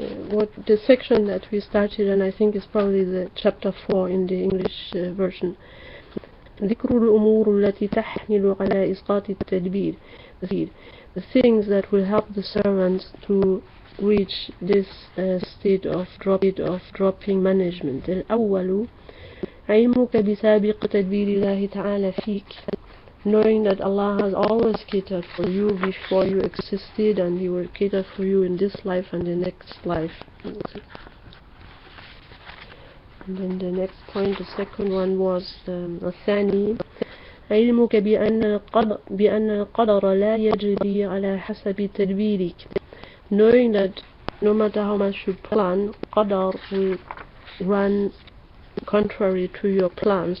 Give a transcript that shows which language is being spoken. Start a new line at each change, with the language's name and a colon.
English: What the section that we started, and I think is probably the chapter 4 in the English version.
Arabic: ذكر الأمور التي تحمل على إسقاط التدبير.
English: The things that will help the servants to reach this state of dropping management.
Arabic: الأول علمك بسابق تدبير الله تعالى فيك.
English: Knowing that Allah has always catered for you before you existed, and He will cater for you in this life and the next life. And then the next point, the second one was الثاني.
Arabic: علمك بأن القدر لا يجري على حسب تدبيرك.
English: Knowing that no matter how much you plan, قدر will run contrary to your plans.